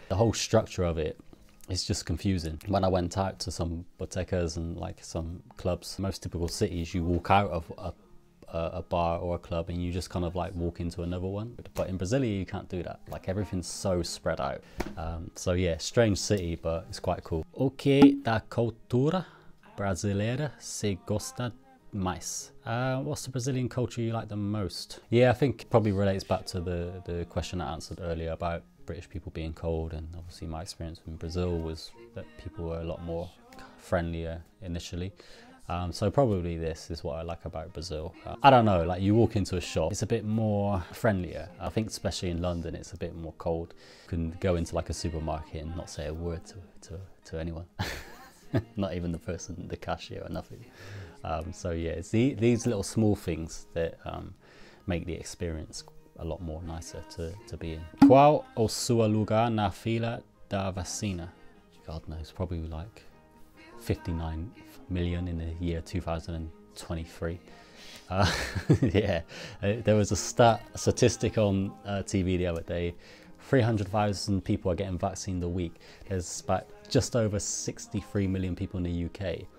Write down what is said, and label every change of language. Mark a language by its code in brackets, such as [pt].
[en] The whole structure of it, it's just confusing. When I went out to some botecas and like some clubs, most typical cities, you walk out of a bar or a club and you just kind of like walk into another one. But in Brasilia, you can't do that. Like everything's so spread out. So yeah, strange city, but it's quite cool. [pt] O que da cultura brasileira se gosta mais? [en] What's the Brazilian culture you like the most? Yeah, I think it probably relates back to the question I answered earlier about British people being cold, and obviously my experience in Brazil was that people were a lot more friendlier initially. So probably this is what I like about Brazil. I don't know, like you walk into a shop, it's a bit more friendlier. I think especially in London, it's a bit more cold. You can go into like a supermarket and not say a word to anyone. Not even the person, the cashier or nothing. So yeah, it's these little small things that make the experience a lot more nicer to be in. [pt] Qual o seu lugar na fila da vacina? [en] God knows, probably like 59 million in the year 2023. there was a statistic on TV the other day. 300,000 people are getting vaccinated a week. There's about just over 63 million people in the UK.